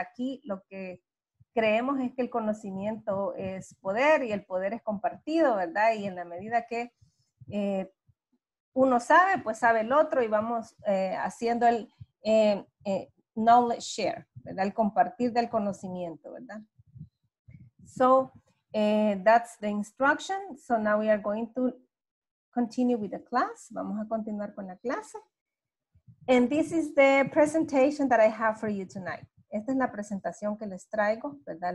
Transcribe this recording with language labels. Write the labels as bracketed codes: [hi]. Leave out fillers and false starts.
[es] Aquí lo que creemos es que el conocimiento es poder y el poder es compartido, ¿verdad? Y en la medida que uno sabe, pues sabe el otro y vamos haciendo el knowledge share, ¿verdad? El compartir del conocimiento, ¿verdad? [en] So, that's the instruction. So now we are going to continue with the class. [es] Vamos a continuar con la clase. [en] And this is the presentation that I have for you tonight. [es] Esta es la presentación que les traigo, ¿verdad?